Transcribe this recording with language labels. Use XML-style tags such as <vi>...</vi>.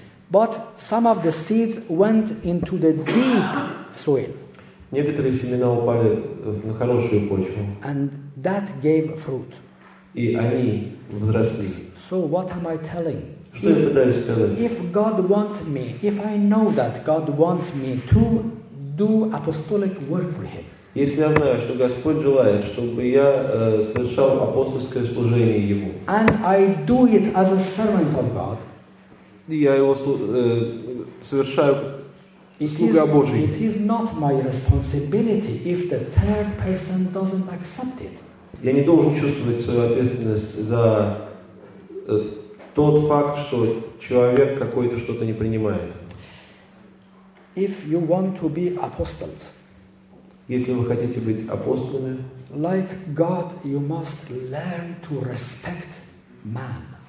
<en>But some of the seeds went into the deep soil.</en> <ru>Некоторые семена упали на хорошую почву.</ru> <en>And that gave fruit.</en> <ru>И они взросли.</ru> <en>So what am I telling?</en> <ru>Что я пытаюсь сказать?</ru> <en>If God wants me, if I know that God wants me to do apostolic work for Him.</en> <ru>Если я знаю, что Господь желает, чтобы я совершал апостольское служение Ему.</ru> <en>And I do it as a servant of God.</en> <ru>И я его совершаю слуга Божий.</ru> <en>It is not my responsibility if the third person doesn't accept it.</en> <ru>Я не должен чувствовать свою ответственность за тот факт, что человек какой-то что-то не принимает.</ru> <en>If you want to be apostles,</en> <ru>если вы хотите быть апостолами,</ru> <en>like God, you must learn to respect man.</en>